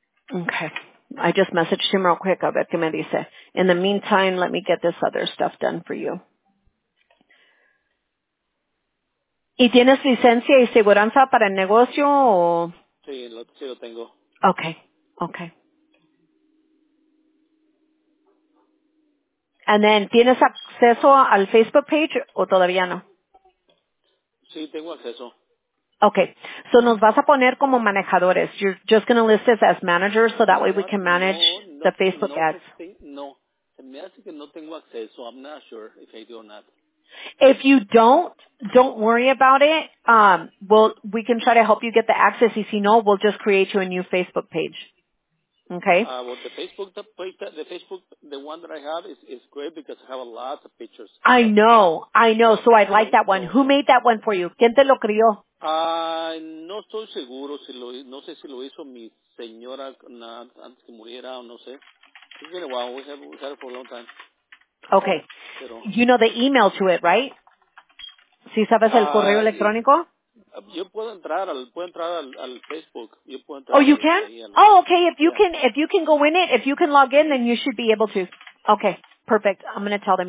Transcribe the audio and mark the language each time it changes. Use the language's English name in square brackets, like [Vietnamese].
[English] I just messaged him real quick. I'll bet you maybe say. In the meantime, let me get this other stuff done for you. [Spanish] ¿Y tienes licencia y seguridad para el negocio? O? Sí, lo tengo. [English] Okay. And then, [Spanish] ¿tienes acceso al Facebook page o todavía no? Sí, tengo acceso. Okay, so nos vas a poner como manejadores. [English] You're just going to list us as managers so that way we can manage the Facebook ads. [Spanish] No, se me hace que no tengo acceso. [English] I'm not sure if I do or not. If you don't worry about it. We can try to help you get the access. [Spanish] Y si no, [English] we'll just create you a new Facebook page. Okay. Well, the Facebook, the one that I have is great because I have a lot of pictures. I know. So I'd like that one. Who made that one for you? [Spanish] ¿Quién te lo crió? No estoy seguro si lo, no sé si lo hizo mi señora antes que muriera o no sé. [English] It's been a while. We had it for a long time. Okay. Pero, you know the email to it, right? [Spanish] ¿Sí sabes el correo electrónico? Yo puedo entrar al Facebook. Yo puedo entrar. [English] Oh, you can? Oh, okay. If you can go in it, if you can log in, then you should be able to. Okay, perfect. I'm going to tell them.